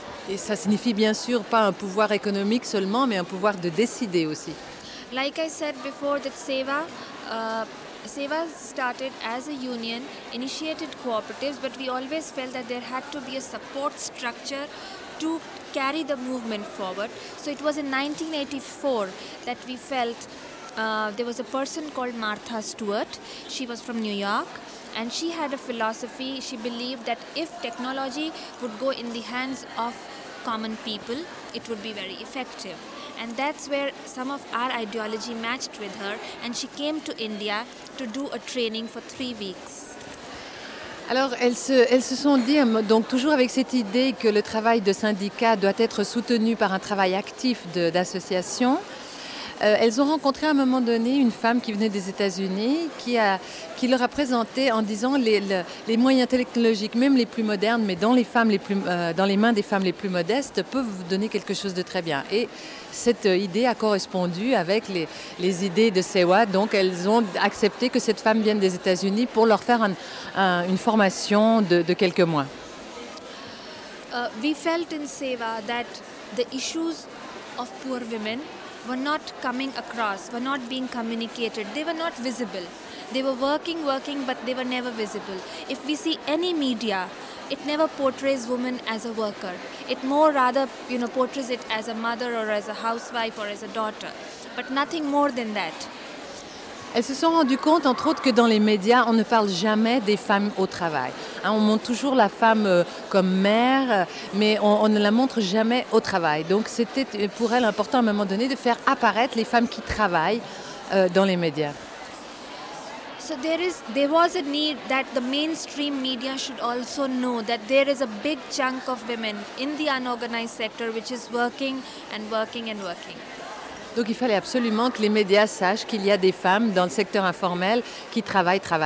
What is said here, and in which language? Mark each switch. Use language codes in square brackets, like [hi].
[fr] Et ça signifie bien sûr pas un pouvoir économique seulement, mais un pouvoir de décider aussi. [en] Like I said before, that Seva started as a union, initiated cooperatives, but we always felt that there had to be a support structure to carry the movement forward. So it was in 1984 that we felt there was a person called Martha Stewart. She was from New York. And she had a philosophy. She believed that if technology would go in the hands of common people, it would be very effective. And that's where some of our ideology matched with her. And she came to India to do a training for 3 weeks. [fr] Alors, elles se sont dit, donc toujours avec cette idée que le travail de syndicat doit être soutenu par un travail actif d'association, elles ont rencontré à un moment donné une femme qui venait des États-Unis qui leur a présenté en disant les moyens technologiques, même les plus modernes, mais dans les mains des femmes les plus modestes, peuvent vous donner quelque chose de très bien. Et cette idée a correspondu avec les idées de CEWA. Donc, elles ont accepté que cette femme vienne des États-Unis pour leur faire une formation de quelques mois. [en] We felt in CEWA that the issues of poor women were not coming across, were not being communicated. They were not visible. They were working, but they were never visible. If we see any media, it never portrays women as a worker. It more rather, you know, portrays it as a mother or as a housewife or as a daughter. But nothing more than that. [fr] Elles se sont rendues compte, entre autres, que dans les médias, on ne parle jamais des femmes au travail. Hein, on montre toujours la femme comme mère, mais on ne la montre jamais au travail. Donc c'était pour elle important, à un moment donné, de faire apparaître les femmes qui travaillent dans les médias. [en] So there was a need that the mainstream media should also know that there is a big chunk of women in the unorganized sector which is working and working and working. [fr] Donc il fallait absolument que les médias sachent qu'il y a des femmes dans le secteur informel qui travaillent.